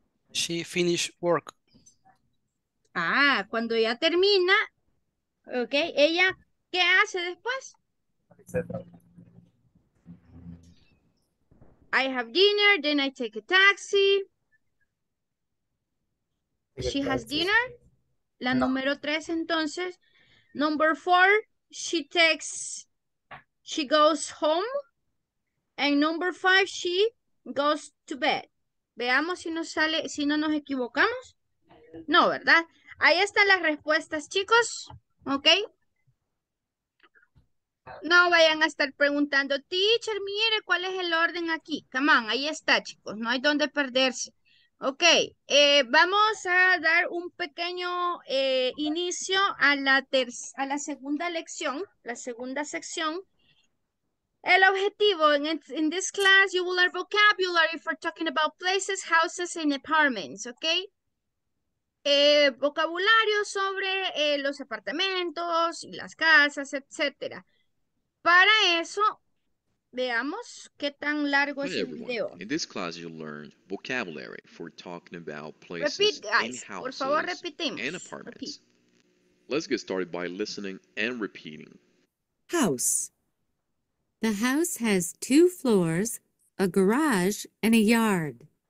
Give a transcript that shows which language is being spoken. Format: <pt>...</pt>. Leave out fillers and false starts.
<en>She finished work.</en> <es>Ah, cuando ella termina, ok, ella, ¿qué hace después?</es> <en>I have dinner, then I take a taxi. She has dinner.</en> <es>La número tres, entonces.</es> <en>Number four, she takes, she goes home. And number five, she goes to bed.</en> <es>Veamos si nos sale, si no nos equivocamos. No, ¿verdad? Ahí están las respuestas, chicos. ¿Ok? No vayan a estar preguntando, teacher, mire cuál es el orden aquí.</es> <en>Come on,</en> <es>ahí está, chicos. No hay dónde perderse. Ok, vamos a dar un pequeño inicio a la segunda lección, la segunda sección. El objetivo,</es> <en>in this class, you will learn vocabulary for talking about places, houses, and apartments, ok?</en> <es>Vocabulario sobre los apartamentos, y las casas, etc. Para eso, veamos qué tan largo es el video.</es> <en>In this class, you'll learn vocabulary for talking about places, repeat, guys, and houses,</en> <es>por favor, repetimos.</es> <en>And apartments. Let's get started by listening and repeating. House. The house has two floors, a garage, and a yard.</en>